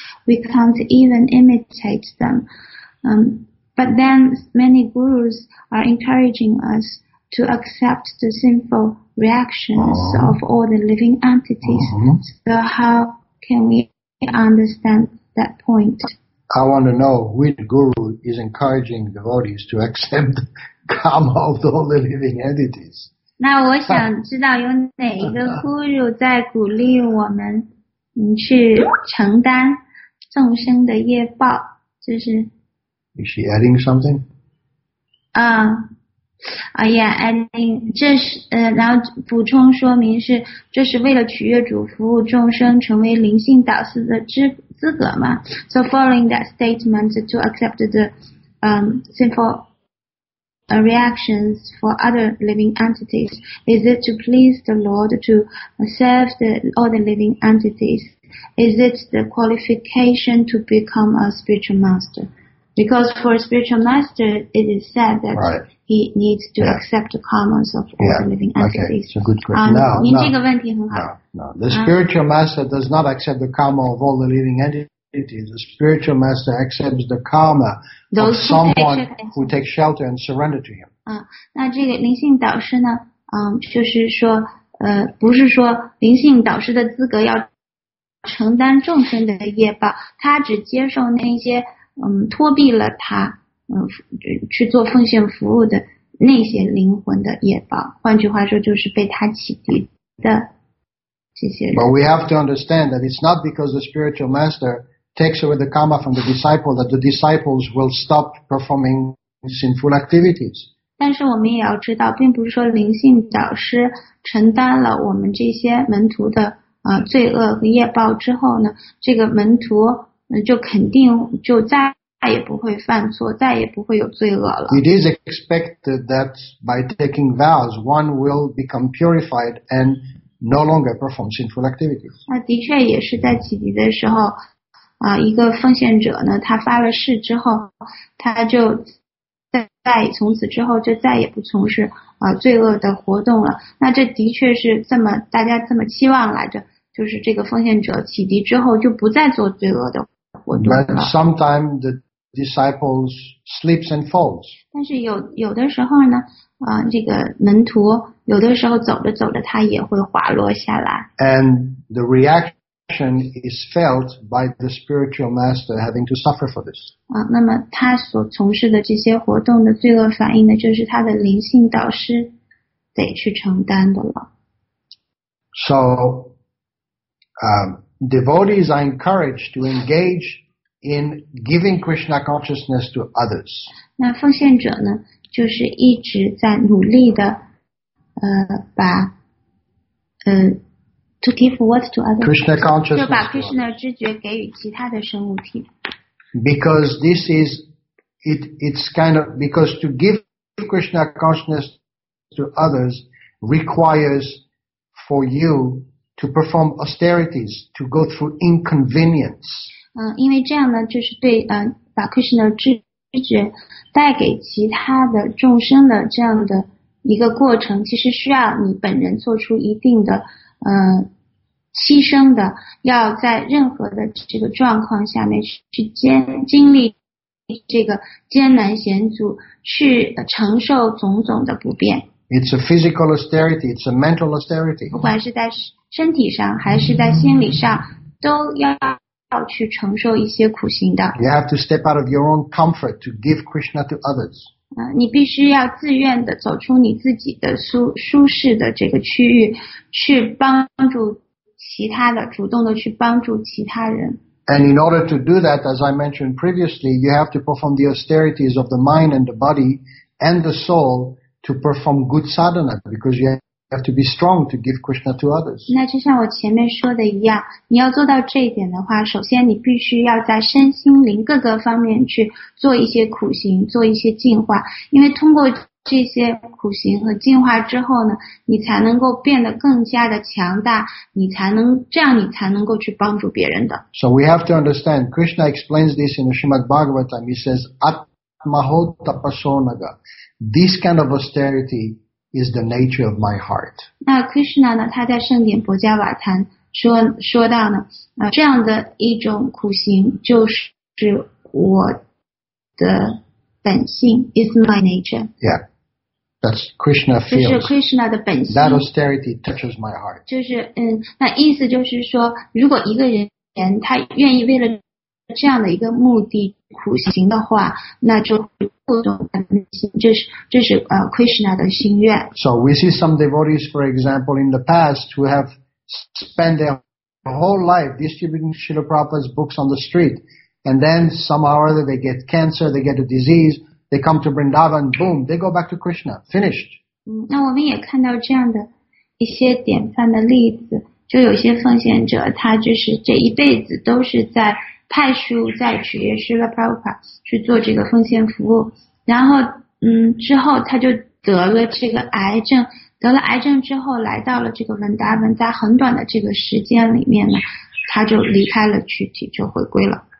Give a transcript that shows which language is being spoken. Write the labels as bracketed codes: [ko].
[en] We can't even imitate them. But then many gurus are encouraging us to accept the sinful reactions of all the living entities. So how can we understand that point? I want to know which guru is encouraging devotees to accept karma of all the living entities. [zh] 那我想知道有哪一个 guru 在鼓励我们去承担众生的业报，就是 [en] Is she adding something? [zh] Adding 这是然后补充说明是这是为了取悦主服务众生成为灵性导师的资格嘛。 [en] So following that statement to accept the sinful reactions for other living entities. Is it to please the Lord to serve all the living entities? Is it the qualification to become a spiritual master? Because for a spiritual master, it is said that he needs to accept the karmas of all the living entities. Okay, it's a good question. No. The spiritual master does not accept the karma of all the living entities. The spiritual master accepts the karma of someone who takes shelter and surrender to him. [zh] 那这个灵性导师呢？就是说，不是说灵性导师的资格要承担众生的业报，他只接受那些托庇了他去做奉献服务的那些灵魂的业报。换句话说，就是被他启迪的这些人。 [en] But we have to understand that it's not because the spiritual master takes away the karma from the disciple that the disciples will stop performing sinful activities. [zh] 但是我们也要知道，并不是说灵性导师承担了我们这些门徒的罪恶和业报之后呢，这个门徒就肯定就再也不会犯错，再也不会有罪恶了。 [en] It is expected that by taking vows, one will become purified and no longer perform sinful activities. [zh] 那的确也是在启迪的时候。一个奉献者呢，他发了誓之后，他就再从此之后就再也不从事罪恶的活动了。那这的确是这么大家这么期望来着，就是这个奉献者启迪之后就不再做罪恶的活动了。 [en] But sometimes the disciples slips and falls. [zh] 但是有的时候呢，这个门徒有的时候走着走着他也会滑落下来。 [en] And the reaction is felt by the spiritual master having to suffer for this. [zh] 那么他所从事的这些活动的罪恶反应呢，就是他的灵性导师得去承担的了。 [en] So, devotees are encouraged to engage in giving Krishna consciousness to others. [zh] 那奉献者呢，就是一直在努力的，把， [en] to give what to others? Krishna consciousness. [zh] 就把 Krishna 知觉给予其他的生物体。 [en] Because this is, it's kind of, because to give Krishna consciousness to others requires for you to perform austerities, to go through inconvenience. [zh] 因为这样呢，就是对，把 Krishna 知觉带给其他的众生的这样的一个过程，其实需要你本人做出一定的，牺牲的，要在任何的这个状况下面去经历这个艰难险阻，去承受种种的不便。 [en] It's a physical austerity, it's a mental austerity. [zh] 不管是在身体上还是在心理上，都要去承受一些苦行的。 [en] You have to step out of your own comfort to give Krishna to others. [zh] 你必须要自愿的走出你自己的舒适的这个区域，去帮助其他的，主动的去帮助其他人。 [en] And in order to do that, as I mentioned previously, you have to perform the austerities of the mind and the body and the soul to perform good sadhana, because you have to be strong to give Krishna to others. [zh] 那就像我前面说的一样，你要做到这一点的话，首先你必须要在身心灵各个方面去做一些苦行，做一些净化，因为通过这些苦行和净化之后呢，你才能够变得更加的强大，这样你才能够去帮助别人的。 [en] So we have to understand, Krishna explains this in the Srimad Bhagavatam. He says, [sa] Atmaho tapasonaga. [en] This kind of austerity is the nature of my heart. [zh] 那 Krishna 呢，他在圣典薄伽瓦坛说到呢，这样的一种苦行就是我的本性 [en] is my nature. Yeah, that's Krishna feels. [zh] 就是 Krishna 的本性。 [en] That austerity touches my heart. [zh] 就是那意思就是说，如果一个人他愿意为了这样的一个目的苦行的话，那就触动他的心，这是Krishna 的心愿。 [en] So we see some devotees, for example, in the past who have spent their whole life distributing Srila Prabhupada's books on the street. And then somehow or other they get cancer, they get a disease, they come to Vrindavan, boom, they go back to Krishna, finished. [zh] 那我们也看到这样的一些典范的例子，就有些奉献者他就是这一辈子都是在派书在取悦Srila Prabhupada去做这个奉献服务，然后之后他就得了这个癌症，得了癌症之后来到了这个Vrindavan，在很短的这个时间里面呢，他就离开了躯体，就回归了。